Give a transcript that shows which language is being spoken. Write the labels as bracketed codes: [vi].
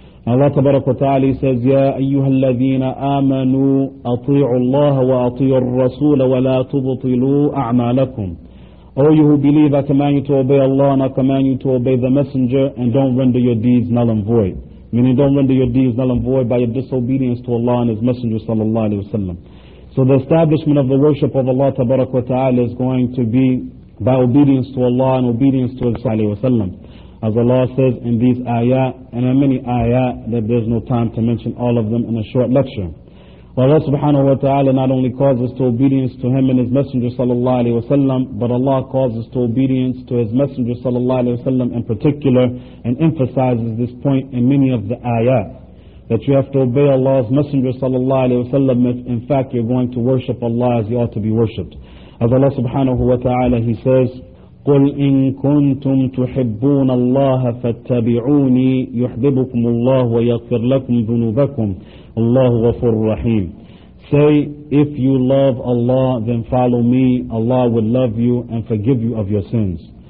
[en] Allah Tabaraka wa Ta'ala says, [ar] يَا أَيُّهَا الَّذِينَ آمَنُوا أَطِيعُوا اللَّهَ وَأَطِيعُوا الرَّسُولَ وَلَا تُبْطِلُوا أَعْمَالَكُمْ. [en] O you who believe, I command you to obey Allah and I command you to obey the Messenger, and don't render your deeds null and void. Meaning don't render your deeds null and void by your disobedience to Allah and His Messenger sallallahu alayhi wa sallam. So the establishment of the worship of Allah Tabaraka wa Ta'ala is going to be by obedience to Allah and obedience to Rasul sallallahu alayhi wa sallam. As Allah says in these ayat, and in many ayat, that there's no time to mention all of them in a short lecture. Well, Allah subhanahu wa ta'ala not only calls us to obedience to Him and His Messenger sallallahu alayhi wa sallam, but Allah calls us to obedience to His Messenger sallallahu alayhi wa sallam in particular, and emphasizes this point in many of the ayat, that you have to obey Allah's Messenger sallallahu alayhi wa sallam if in fact you're going to worship Allah as He ought to be worshipped. As Allah subhanahu wa ta'ala, He says, [ar] قُلْ إِن كُنْتُمْ تُحِبُّونَ اللَّهَ فَاتَّبِعُونِي يُحْبِبُكُمُ اللَّهُ وَيَغْفِرْ لَكُمْ ذُنُوبَكُمْ اللَّهُ غَفُورٌ رَّحِيمٌ. [en] Say, if you love Allah, then follow me. Allah will love you and forgive you of your sins.